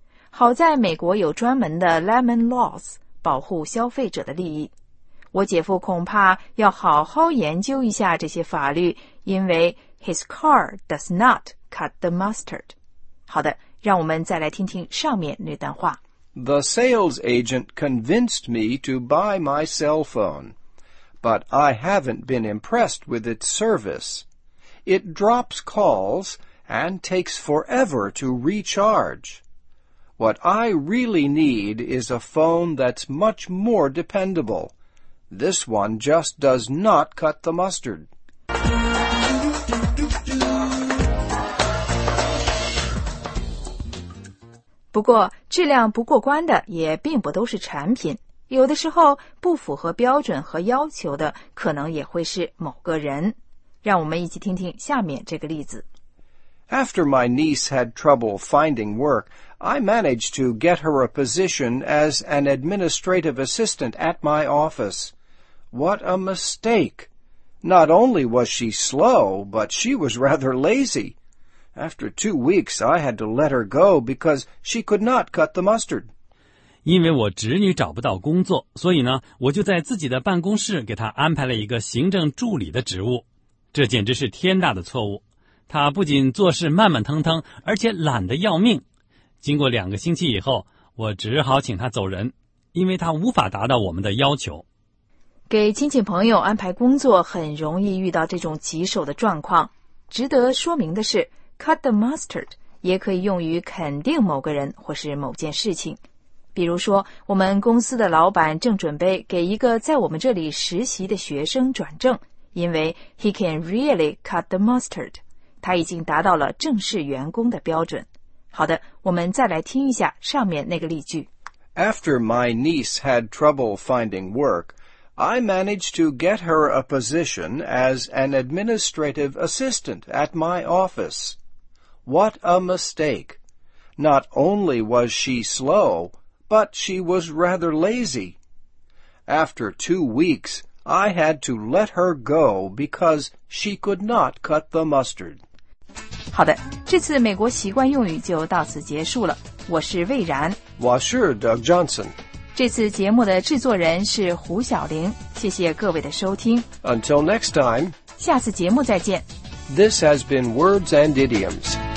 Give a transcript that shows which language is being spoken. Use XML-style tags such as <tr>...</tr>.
<zh>好在美国有专门的 Lemon Laws， 保护消费者的利益。我姐夫恐怕要好好研究一下这些法律，因为</zh> <en>his car does not cut the mustard。</en> <zh>好的，让我们再来听听上面那段话。</zh> <en>The sales agent convinced me to buy my cell phone, but I haven't been impressed with its service. It drops calls and takes forever to recharge. What I really need is a phone that's much more dependable. This one just does not cut the mustard.</en> <zh>不过，质量不过关的也并不都是产品，有的时候不符合标准和要求的可能也会是某个人。让我们一起听听下面这个例子。</zh> <en>After my niece had trouble finding work, I managed to get her a position as an administrative assistant at my office. What a mistake! Not only was she slow, but she was rather lazy. After 2 weeks, I had to let her go because she could not cut the mustard.</en> <zh>因为我侄女找不到工作，所以呢，我就在自己的办公室给她安排了一个行政助理的职务。这简直是天大的错误。她不仅做事慢慢腾腾，而且懒得要命。经过两个星期以后，我只好请她走人，因为她无法达到我们的要求。给亲戚朋友安排工作很容易遇到这种棘手的状况。值得说明的是 cut the mustard 也可以用于肯定某个人或是某件事情。比如说，我们公司的老板正准备给一个在我们这里实习的学生转正，因为</zh> <en>he can really cut the mustard，</en> <zh>他已经达到了正式员工的标准。好的，我们再来听一下上面那个例句。</zh> <en>After my niece had trouble finding workI managed to get her a position as an administrative assistant at my office. What a mistake! Not only was she slow, but she was rather lazy. After 2 weeks, I had to let her go because she could not cut the mustard.</en> <zh>好的，这次美国习惯用语就到此结束了。我是魏然。我是 Doug Johnson。这次节目的制作人是胡晓玲，谢谢各位的收听。</zh> <en>Until next time.</en> <zh>下次节目再见。</zh> <en>This has been Words and Idioms.</en>